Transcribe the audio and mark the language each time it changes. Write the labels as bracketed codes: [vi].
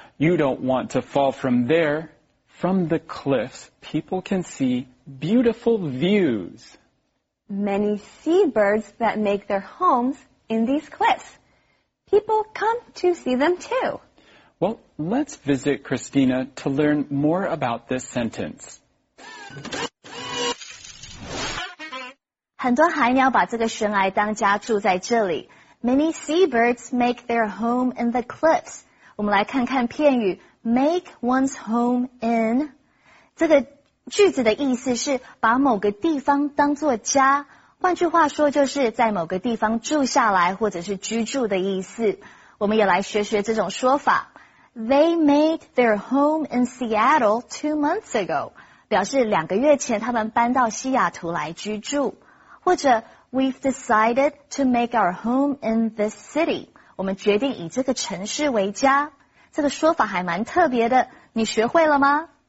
[en] You don't want to fall from there. From the cliffs, people can see beautiful views. Many seabirds that make their homes in these cliffs. People come to see them too. Well, let's visit Christina to learn more about this sentence. [zh] 很多海鸟把这个悬崖当家住在这里。 [en] Many seabirds make their home in the cliffs. [zh] 我们来看看片语 [en] make one's home in. [zh] 这个句子的意思是把某个地方当作家，换句话说就是在某个地方住下来或者是居住的意思。我们也来学学这种说法。 [en] They made their home in Seattle 2 months ago, [zh] 表示两个月前他们搬到西雅图来居住。 [en] 或者 We've decided to make our home in this city, [zh] 我们决定以这个城市为家。这个说法还蛮特别的，你学会了吗？